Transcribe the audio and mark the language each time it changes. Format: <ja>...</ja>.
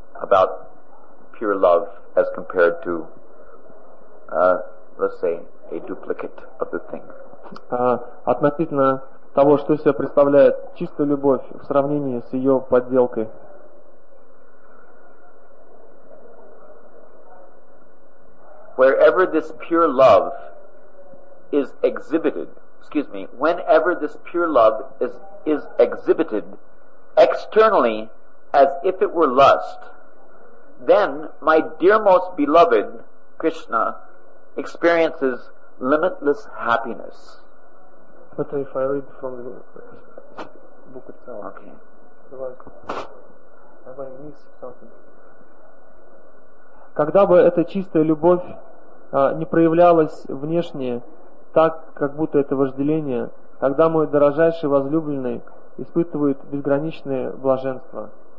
<en>About pure love as compared to, let's say, a duplicate of the thing.</en> <ru>Относительно того, что из себя представляет чистая любовь в сравнении с ее подделкой.</ru> <en>Wherever this pure love is exhibited, whenever this pure love is exhibited externally as if it were lust, then my dearmost beloved Krishna experiences limitless happiness. But if I read from the book itself, okay. Have I missed something?</en> <ru>Когда бы эта чистая любовь не проявлялась внешне, так как будто это вожделение, тогда мой дорожайший возлюбленный испытывает безграничное блаженство.</ru>